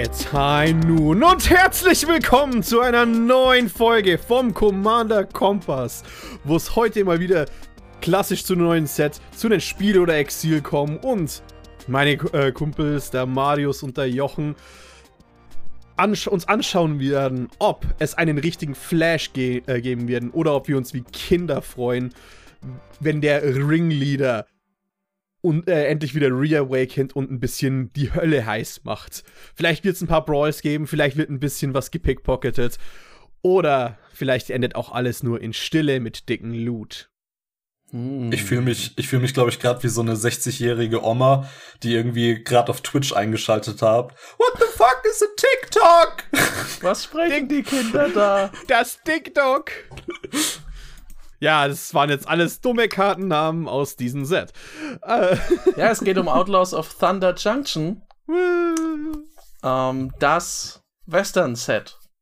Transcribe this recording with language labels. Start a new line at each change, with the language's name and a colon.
German: Time nun und herzlich willkommen zu einer neuen Folge vom Commander Kompass, wo es heute mal wieder klassisch zu einem neuen Set, zu einem Spiel oder Exil kommen und meine Kumpels, der Marius und der Jochen, uns anschauen werden, ob es einen richtigen Flash geben werden oder ob wir uns wie Kinder freuen, wenn der Ringleader endlich wieder reawakened und ein bisschen die Hölle heiß macht. Vielleicht wird es ein paar Brawls geben, vielleicht wird ein bisschen was gepickpocketed oder vielleicht endet auch alles nur in Stille mit dicken Loot. Ich fühl mich, glaube ich, gerade wie so eine 60-jährige Oma, die irgendwie gerade auf Twitch eingeschaltet hat.
English: What the fuck is a TikTok?
German: Was sprechen die Kinder da? Das TikTok. Ja, das waren jetzt alles dumme Kartennamen aus diesem Set. Ja, es geht um Outlaws of Thunder Junction. Das Western-Set.